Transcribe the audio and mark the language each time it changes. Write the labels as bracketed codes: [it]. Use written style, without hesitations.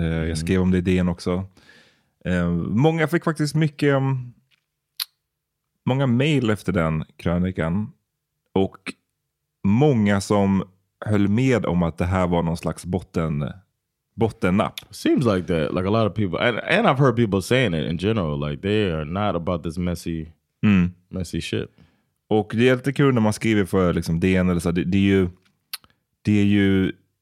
[sv] Jag skrev om det i DN också. Många fick faktiskt mycket... många mejl efter den krönikan. Och många som höll med om att det här var någon slags bottennapp. [en] Seems like that. Like a lot of people... And I've heard people saying it in general. Like they are not about this messy shit. [sv] Och det är lite kul när man skriver för liksom DN. Eller så, det är ju...